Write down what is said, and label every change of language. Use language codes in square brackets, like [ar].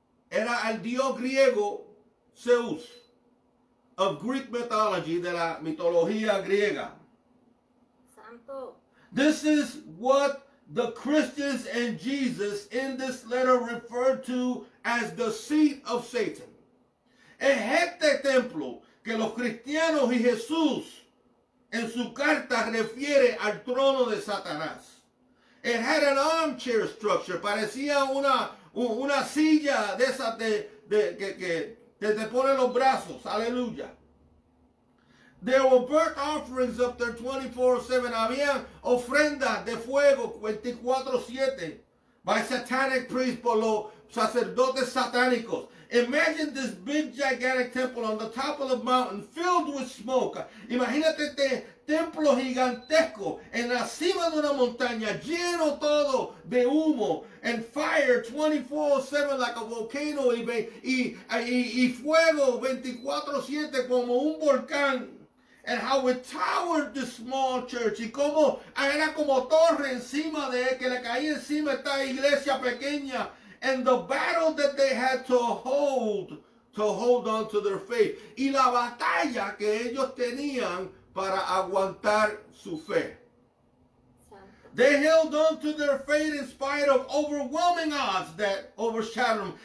[es] Era al dios griego Zeus, [en] of Greek mythology, [es] de la mitología griega. Santo. [en] This is what the Christians and Jesus in this letter referred to as the seat of Satan. [es] Es este templo que los cristianos y Jesús en su carta refiere al trono de Satanás. [en] It had an armchair structure. [es] Parecía una silla de esas que te pone los brazos. Aleluya. [en] There were burnt offerings up there 24/7. [es] Había ofrendas de fuego 24/7 [en] by satanic priests, [es] por los sacerdotes satánicos. [en] Imagine this big gigantic temple on the top of the mountain filled with smoke. [es] Imagínate este templo gigantesco en la cima de una montaña lleno todo de humo [en] and fire 24/7 like a volcano [es] y fuego 24/7 como un volcán. [en] And how it towered the small church. [es] Y como era como torre encima de él, que le caía encima esta iglesia pequeña. [en] And the battle that they had to hold on to their faith. [es] Y la batalla que ellos tenían para aguantar su fe. [en] They held on to their faith in spite of overwhelming odds that overshadowed them.